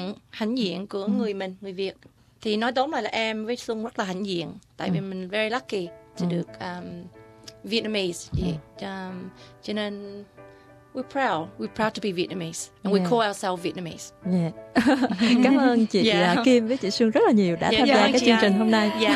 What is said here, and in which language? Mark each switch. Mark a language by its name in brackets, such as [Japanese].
[Vietnamese] hãnh diện của người mình, người Việt. Thì nói tóm lại là em với Xuân rất là hãnh diện tại vì mình [English] very lucky to [Vietnamese] được Vietnamese. Cho nên [English] We're proud to be Vietnamese and we call ourselves Vietnamese. [Vietnamese] Cảm ơn chị Kim với chị Sương rất là nhiều đã tham gia cái chương trình hôm nay.